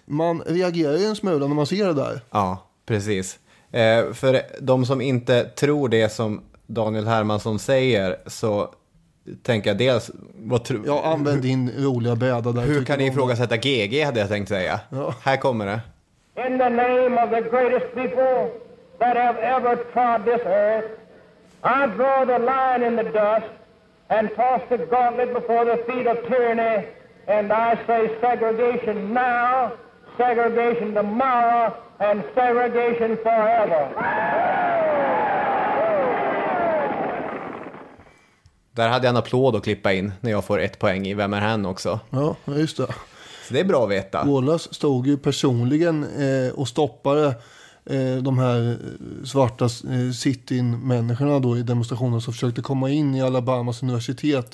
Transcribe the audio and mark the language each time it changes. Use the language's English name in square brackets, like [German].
[Swedish] Man reagerar ju en smula när man ser det där. Ja, precis. För de som inte tror det som Daniel Hermansson säger så tänker jag dels... Jag använder din roliga bäda där. Hur kan ni ifrågasätta GG hade jag tänkt säga. Ja. Här kommer det. [English] In the name of the greatest people that have ever trod this earth, I draw the line in the dust and toss the gauntlet before the feet of tyranny. And I say segregation now, segregation tomorrow, and segregation forever. [Swedish] Där hade jag en applåd att klippa in när jag får ett poäng i Vem är han också. Ja, just det. Så det är bra att veta. Wallace stod ju personligen och stoppade de här svarta sit-in-människorna då i demonstrationen som försökte komma in i Alabamas universitet.